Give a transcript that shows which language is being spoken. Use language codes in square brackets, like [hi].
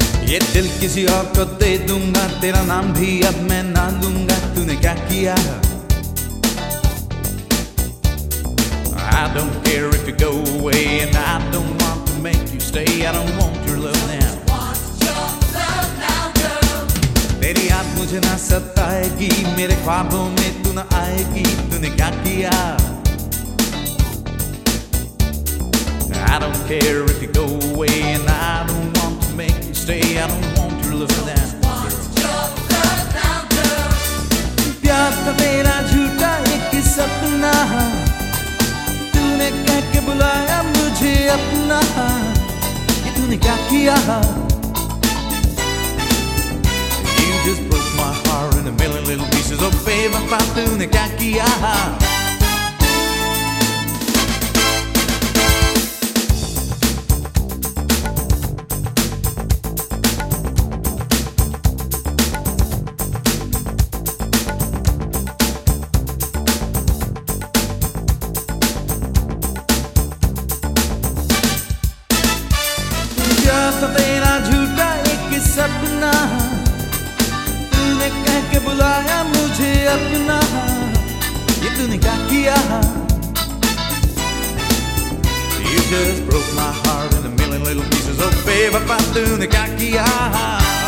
[hi] ये दिल किसी और को दे दूंगा, तेरा नाम भी अब मैं ना लूंगा, तूने क्या किया? [en] I don't care if you go away and I don't want to make you stay. I don't want your love now. Just want your love now, girl. [hi] तेरी याद मुझे ना सताएगी, मेरे ख्वाबों में तू ना आएगी, तूने क्या किया? [en] I don't care if you go away and I don't want to make you stay. I don't want your love now. Just want your love now, girl. [hi] प्यार था मेरा झूठा एक सपना, तूने कह के बुलाया मुझे अपना, ये तूने क्या किया? [en] You just broke my heart in a million little pieces. Oh babe, I found [hi] तूने क्या किया? [en] तेरा झूठा एक सपना, तूने कह के बुलाया मुझे अपना, ये तूने क्या किया? You just broke my heart in a million little pieces. Oh babe, I found [hi] तूने क्या किया?